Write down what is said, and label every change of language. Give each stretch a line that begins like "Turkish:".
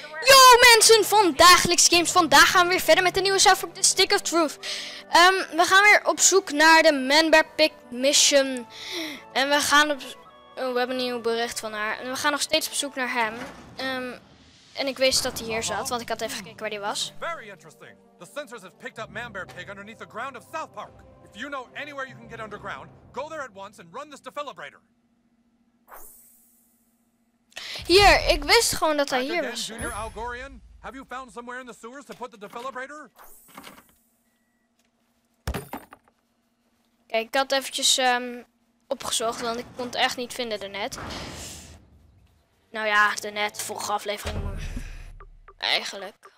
Dutch: Yo mensen van Dagelijks Games, vandaag gaan we weer verder met de nieuwe South Park, The Stick of Truth. We gaan weer op zoek naar de Man Bear Pig Mission. En we gaan op... Oh, we hebben een nieuw bericht van haar. En we gaan nog steeds op zoek naar hem. En ik wist dat hij hier zat, want ik had even gekeken waar hij was.
English: Very interesting. The sensors have picked up Man Bear Pig underneath the ground of South Park. If you know anywhere you can get underground, go there at once and run this defilibrator.
Dutch: Hier, ik wist gewoon dat hij hier was.
English: Junior Algorian, have you found somewhere in the sewers to put the defilibrator?
Dutch: Kijk, ik had eventjes opgezocht, want ik kon het echt niet vinden daarnet. Nou ja, daarnet, vorige aflevering. Eigenlijk.